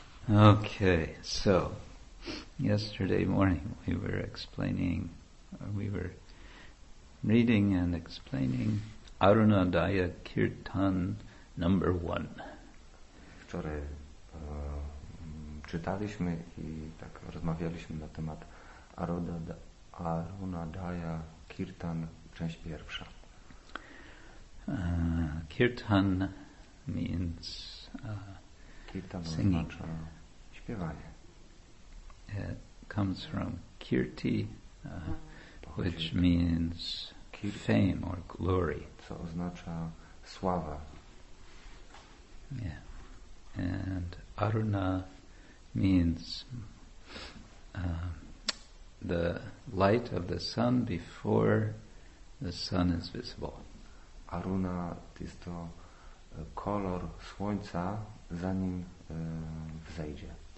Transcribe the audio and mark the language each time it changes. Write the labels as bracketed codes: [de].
[en] Okay, so yesterday morning we were explaining, we were reading and explaining Arunodaya Kirtan number 1. [pl] Wczoraj czytaliśmy i tak rozmawialiśmy na temat Arunodaya Kirtan, część pierwsza. [en] Kirtan means kirtan singing. [pl] Oznacza śpiewanie. [en] It comes from kirti, which means kirtan, fame or glory. [pl] Co oznacza sława. Yeah. [en] And Aruna means the light of the sun before the sun is visible. [pl] Aruna jest to kolor słońca zanim wzejdzie.